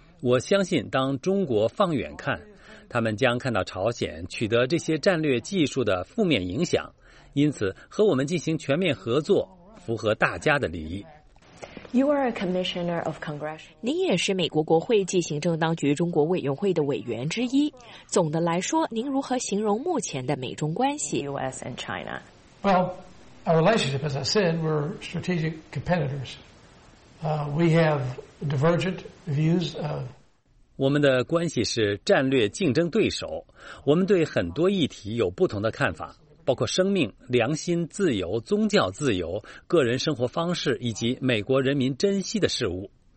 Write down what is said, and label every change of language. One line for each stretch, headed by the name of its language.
Chinese: 我相信当中国放远看，他们将看到朝鲜取得这些战略技术的负面影响，因此和我们进行全面合作符合大家的利益。
English: You are a commissioner of Congress.
Chinese: 您也是美国国会暨行政当局中国委员会的委员之一。总的来说，您如何形容目前的美中关系？
English: US and China. Well, our relationship, as I said, we're strategic competitors. We have divergent views of
Chinese: 我们的关系是战略竞争对手，我们对很多议题有不同的看法，包括生命、良心、自由、宗教自由、个人生活方式以及美国人民珍惜的事物。